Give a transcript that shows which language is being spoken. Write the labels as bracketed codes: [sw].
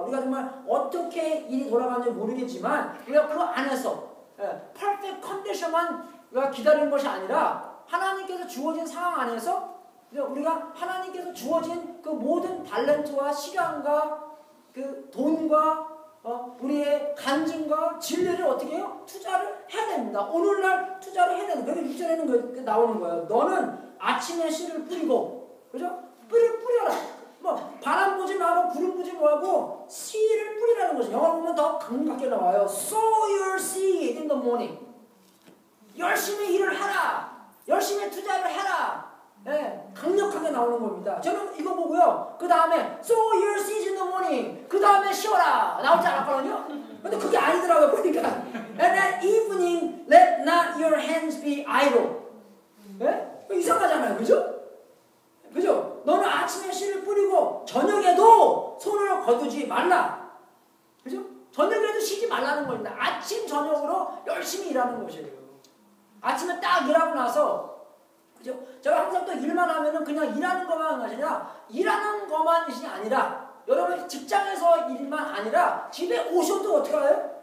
[ko] 우리가 정말 어떻게 일이 돌아가는지 모르겠지만 우리가 그 안에서 퍼펙트 컨디션만 우리가 기다리는 것이 아니라 하나님께서 주어진 상황 안에서 우리가 하나님께서 주어진 그 모든 달란트와 시간과 그 돈과 우리의 간증과 진리를 어떻게 해요? 투자를 해야 됩니다. 오늘날 투자를 해야 된다. 그래서 6절에는 그 나오는 거예요. 너는 아침에 씨를 뿌리고, 그죠? 뿌리를 뿌려라. 뭐, 바람 보지 말고, 구름 보지 말고, 씨를 뿌리라는 거죠. 영어 보면 더 강력하게 나와요. [en] Sow your seed in the morning. [ko] 열심히 일을 하라. 열심히 투자를 해라. 예, 네, 강력하게 나오는 겁니다. 저는 이거 보고요. 그 다음에 [en] sow your seeds in the morning. [ko] 그 다음에 쉬어라 나오지 않았거든요. 근데 그게 아니더라고요. 보니까 [en] and that evening let not your hands be idle. [ko] 예, 네? 이상하잖아요, 그죠? 그죠? 너는 아침에 씨를 뿌리고 저녁에도 손을 거두지 말라. 그죠? 저녁에도 쉬지 말라는 겁니다. 아침 저녁으로 열심히 일하는 것이에요. 아침에 딱 일하고 나서. 그죠? 제가 항상 또 일만 하면은 그냥 일하는 것만 아니라 일하는 것만이 아니라 여러분 직장에서 일만 아니라 집에 오셔도 어떻게 해요?